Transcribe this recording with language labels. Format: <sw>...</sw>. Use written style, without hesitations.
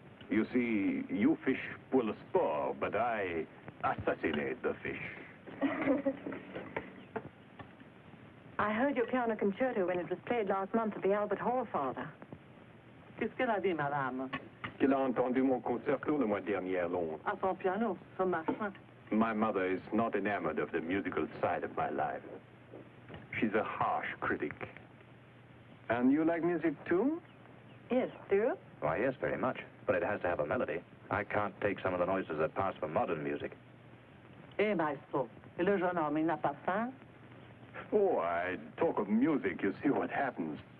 <en>You see, you fish pull a spore, but I assassinate the fish. I heard your piano concerto when it was played last month at the Albert Hall, Father.</en> <fr>Qu'est-ce qu'elle a dit, madame? Qu'elle a entendu mon concerto le mois dernier à Londres. À son piano, son machin.</fr> <en>My mother is not enamored of the musical side of my life. She's a harsh critic. And you like music, too? Yes, do you? Why, yes, very much. But it has to have a melody. I can't take some of the noises that pass for modern music.</en> <fr>Eh, maestro, et le jeune homme, il n'a pas faim?</fr> <en>Oh, I talk of music, you see what happens.</en>